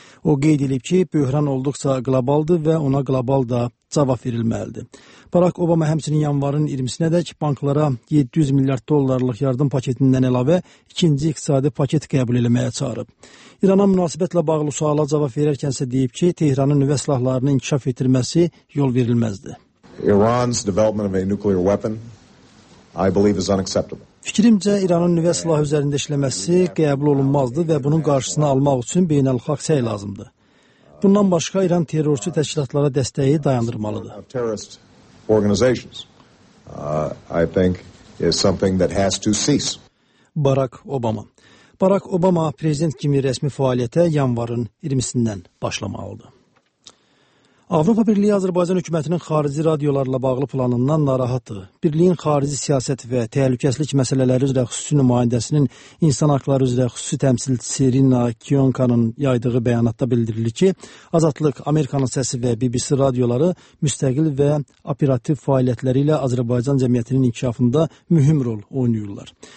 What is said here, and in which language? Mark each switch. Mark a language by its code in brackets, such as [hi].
[az] O qeyd edib ki, böhran olduqca qlobaldır və ona qlobal da cavab verilməlidir. Barack Obama həmçinin yanvarın 20-sinə dək banklara 700 milyard dollarlıq yardım paketindən əlavə ikinci iqtisadi paket qəbul eləməyə çağırıb. İrana münasibətlə bağlı suala cavab verərkən isə deyib ki, Tehranın nüvə silahlarını inkişaf etdirməsi yol verilməzdir. [en] Iran's development of a nuclear weapon, I believe, is unacceptable. [az] Fikrimcə, İranın nüvə silahı üzərində işləməsi qəbul olunmazdı və bunun qarşısını almaq üçün beynəlxalq səy lazımdır. Bundan başqa, İran terrorçu təşkilatlara dəstəyi dayandırmalıdır. [en] I think is something that has to cease. [az] Barack Obama prezident kimi rəsmi fəaliyyətə yanvarın 20-sindən başlamalıdır. Avropa Birliği Azərbaycan hökumətinin xarici radiolarla bağlı planından narahatdır. Birliğin xarici siyasət və təhlükəsizlik məsələləri üzrə xüsusi nümayəndəsinin insan haqları üzrə xüsusi təmsilçisi Rina Kionkanın yaydığı bəyanatda bildirilir ki, Azadlıq, Amerikanın səsi və BBC radioları müstəqil və operativ fəaliyyətləri ilə Azərbaycan cəmiyyətinin inkişafında mühüm rol oynayırlar.